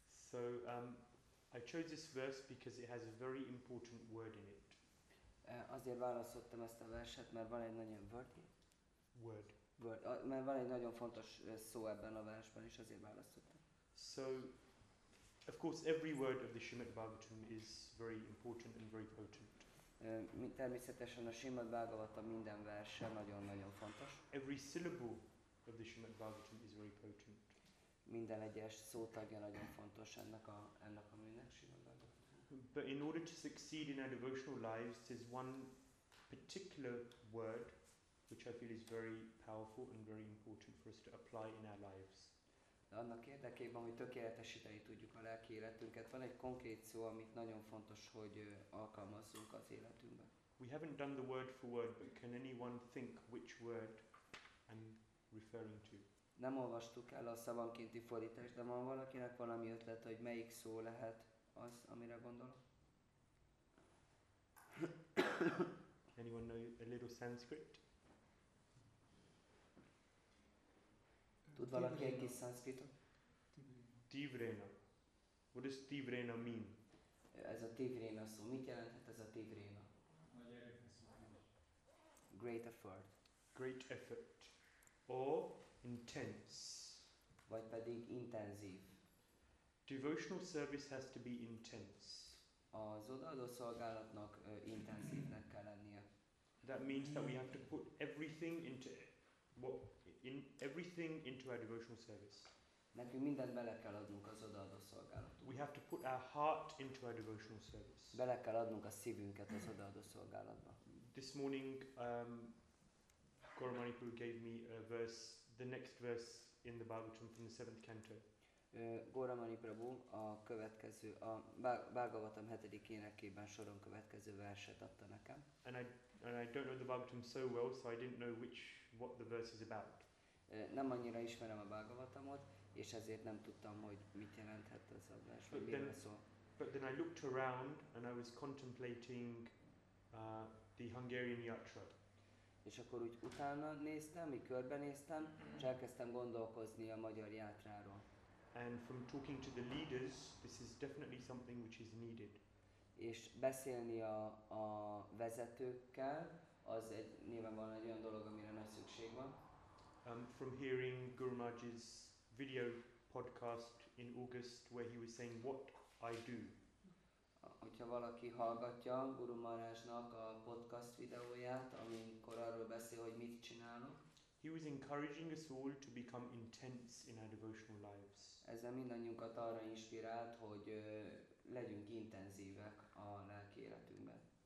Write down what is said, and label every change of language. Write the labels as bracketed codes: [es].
[en] So I chose this verse because it has a very important word in it. [hu] Azért választottam ezt a verset, mert van egy nagyon [en] word. Word. [hu] Mert van egy nagyon fontos szó ebben a versben, és azért választottam. [en] So of course every word of the Srimad Bhagavatam is very important and very potent. [hu] Természetesen a Srimad Bhagavatam minden verse nagyon-nagyon fontos. [en] Every syllable of the Srimad Bhagavatam is very potent. [hu] Minden egyes szótagja nagyon fontos ennek a műnek, Srimad Bhagavatam. [en] But in order to succeed in our devotional lives, there's one particular word which I feel is very powerful and very important for us to apply in our lives. [hu] De annak érdekében, hogy tökéletesíteni tudjuk a lelki életünket, van egy konkrét szó, amit nagyon fontos, hogy alkalmazzunk az életünkben. [en] We haven't done the word for word, but can anyone think which word I'm referring to? [hu] Nem olvastuk el a szavankénti fordítást, de van valakinek valami ötlet, hogy melyik szó lehet az, amire gondolok? [en] Anyone know a little Sanskrit? [hu] Tud valaki egy kis szanszkritot? [en] Tivrena. What does Tivrena mean? [hu] Ez a Tivrena szó. Mit jelenthet ez a Tivrena? [en] Great effort. Great effort. Or intense. [hu] Vagy pedig intenzív. [en] Devotional service has to be intense. [hu] Az odaadó szolgálatnak intenzívnek kell lennie. [en] That means that we have to put everything into what? In everything into our devotional service. [hu] Nekünk mindent bele kell adnunk az odaadó szolgálatunkba. [en] We have to put our heart into our devotional service. [hu] Bele kell adnunk a szívünket az odaadó szolgálatba. [en] This morning, Gaura Manipur gave me a verse, the next verse in the Bhagavatam from the 7th canto. [hu] Gaura Manipur a következő, a Bhagavatam 7. énekében soron következő verset adta nekem. [en] And I don't know the Bhagavatam so well, so I didn't know which what the verse is about. [hu] Nem annyira ismerem a Bhagavatamot, és ezért nem tudtam, hogy mit jelenthet ez a vers, vagy miről szól. [en] But then I looked around and I was contemplating the Hungarian yatra. [hu] És akkor úgy utána néztem, így körbenéztem, és elkezdtem gondolkozni a magyar játráról. [en] And from talking to the leaders, this is definitely something which is needed. [hu] És beszélni a vezetőkkel, az egy nyilvánvalóan egy olyan dolog, amire nagy szükség van. [en] From hearing Guru Maharaj's video podcast in August where he was saying what I do. [hu] Hogyha valaki hallgatja Guru Maharajnak a podcast videóját, amikor arról beszél, hogy mit csinálunk. [en] He was encouraging us all to become intense in our devotional lives. [hu] Ezzel mindannyiunkat arra inspirált, hogy legyünk intenzívek a lelki életünkben.